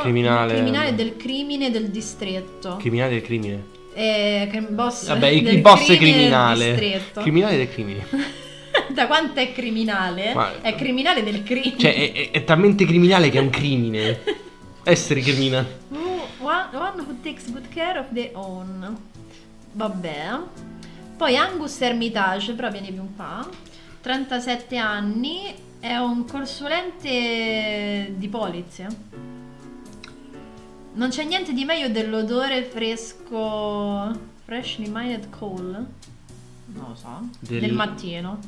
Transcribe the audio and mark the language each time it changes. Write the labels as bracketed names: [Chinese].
[Italian] criminale del crimine del distretto. Criminale del crimine. boss, vabbè, del il boss criminale del distretto. Criminale dei crimini. Da quanto è criminale? Ma... è criminale del crimine. Cioè, è talmente criminale che è un crimine. Essere criminale. [English] One who takes good care of their own. [Italian] Vabbè. Poi Angus Hermitage, però viene più un po'. 37 anni. È un consulente di polizia. Non c'è niente di meglio dell'odore fresco. [English] Freshly mined coal. [Italian] Non lo so, del mattino.